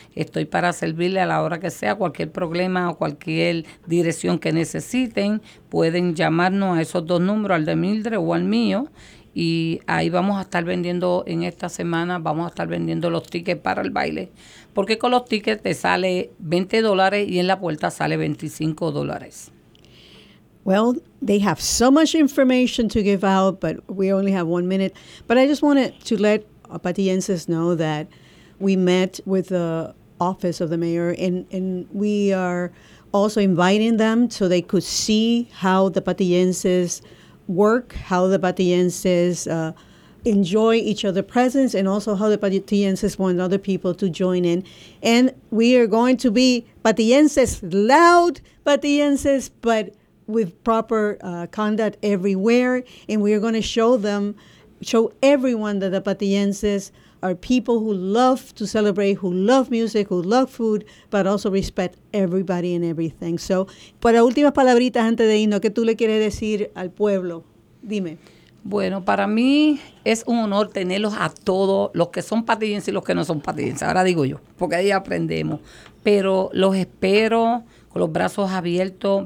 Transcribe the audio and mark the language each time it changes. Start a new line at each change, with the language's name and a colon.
Spanish: Estoy para servirle a la hora que sea, cualquier problema o cualquier dirección que necesiten, pueden llamarnos a esos dos números, al de Mildred o al mío, y ahí vamos a estar vendiendo en esta semana, vamos a estar vendiendo los tickets para el baile. Porque con los tickets te sale $20 y en la puerta sale $25.
English: Well, they have so much information to give out, but we only have 1 minute. But I just wanted to let Patillenses know that we met with the office of the mayor, and we are also inviting them so they could see how the Patillenses work, how the Patillenses enjoy each other's presence, and also how the Patillenses want other people to join in. And we are going to be Patillenses, loud Patillenses, but with proper conduct everywhere. And we are going to show everyone that the Patillenses are people who love to celebrate, who love music, who love food, but also respect everybody and everything.
Spanish: So, para últimas palabritas antes de irnos, ¿qué tú le quieres decir al pueblo? Dime. Bueno, para mí es un honor tenerlos a todos, los que son patillenses y los que no son patillenses. Ahora digo yo, porque ahí aprendemos. Pero los espero con los brazos abiertos.